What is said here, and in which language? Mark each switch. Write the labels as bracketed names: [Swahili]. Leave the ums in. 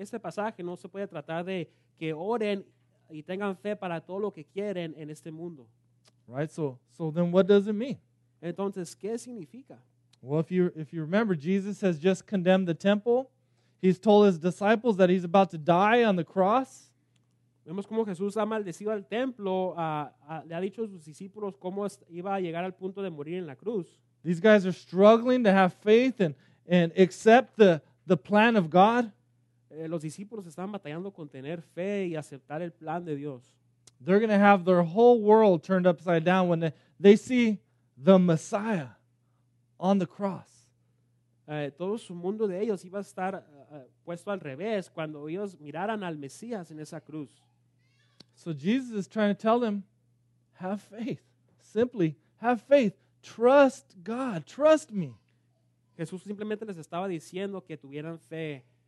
[Spanish] este pasaje no se puede tratar de que oren y tengan fe para todo lo que quieren en este mundo. [English] Right, so, so then what does it mean? [Spanish] Entonces, ¿qué significa? [English] Well, if you, if you remember, Jesus has just condemned the temple. He's told his disciples that he's about to die on the cross. [Spanish] Vemos cómo Jesús ha maldecido al templo, uh, a, le ha dicho a sus discípulos cómo iba a llegar al punto de morir en la cruz. [English] These guys are struggling to have faith and, and accept the, the plan of God [Spanish] los discípulos estaban batallando con tener fe y aceptar el plan de Dios. [English] They're going to have their whole world turned upside down when they, they see the Messiah on the cross. [Spanish] Uh, todo su mundo de ellos iba a estar uh, puesto al revés cuando ellos miraran al Mesías en esa cruz. [English] So Jesus is trying to tell them, have faith. Simply, have faith. Trust God. Trust me. [Spanish] Jesús simplemente les estaba diciendo que tuvieran fe